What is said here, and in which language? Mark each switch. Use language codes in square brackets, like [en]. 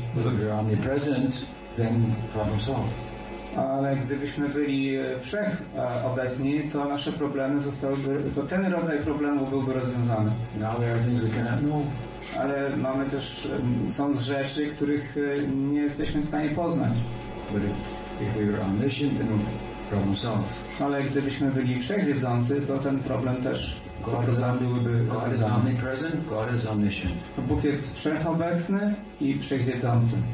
[en] But if you're omnipresent, then problem solved. [pl] Ale gdybyśmy byli wszechobecni, to nasze problemy zostałyby, to ten rodzaj problemu byłby rozwiązany. [en] No, there are things we cannot know. [pl] Ale mamy też, są rzeczy, których nie jesteśmy w stanie poznać. [en] But if we were omniscient, then problem solved. [pl] Ale gdybyśmy byli wszechwiedzący, to ten problem też byłby rozwiązany. [en] God is omnipresent, God is omniscient. [pl] To Bóg jest wszechobecny i wszechwiedzący.